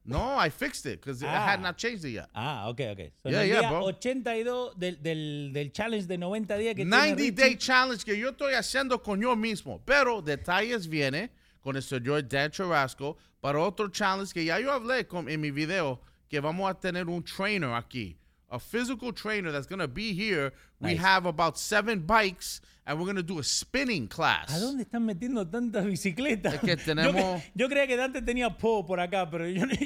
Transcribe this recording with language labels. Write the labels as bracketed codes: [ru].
[en] No, I fixed it because I had not changed it yet. Ah, okay. So yeah, bro. [es] 82 del challenge de 90 días que [en] 90 day challenge [es] que yo estoy haciendo con yo mismo. Pero detalles viene con el señor Dan Churrasco para otro challenge que ya yo hablé con, en mi video, que vamos a tener un trainer aquí, [en] a physical trainer that's going to be here. Nice. We have about 7 bikes, and we're going to do a spinning class. [es] ¿A dónde están metiendo tantas bicicletas? Es que tenemos, yo creía que Dante tenía Po por acá, pero yo